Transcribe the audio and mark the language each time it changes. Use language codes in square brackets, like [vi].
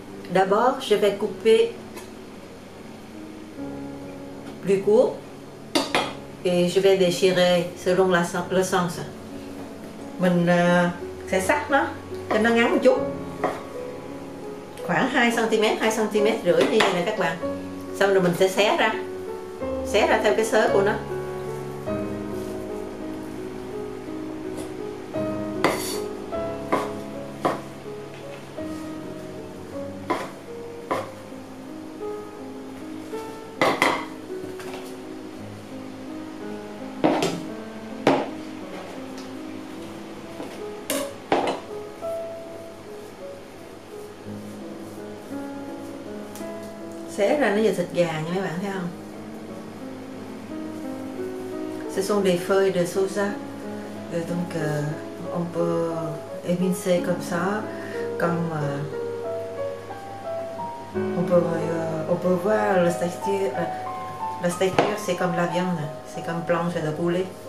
[fr] D'abord, je vais couper plus court et je vais déchirer selon la, le sens. [vi] Mình sẽ sắc nó cho nó ngắn một chút. Khoảng 2 cm, 2,5 cm như vậy nè các bạn. Xong rồi mình sẽ xé ra. Xé ra theo cái sớ của nó. Xé ra nó giờ thịt gà nha mấy bạn thấy không? [fr] Ce sont des feuilles de soja. Et donc on peut émincer comme ça, comme on peut voir la texture. La texture c'est comme la viande, c'est comme planche de poulet.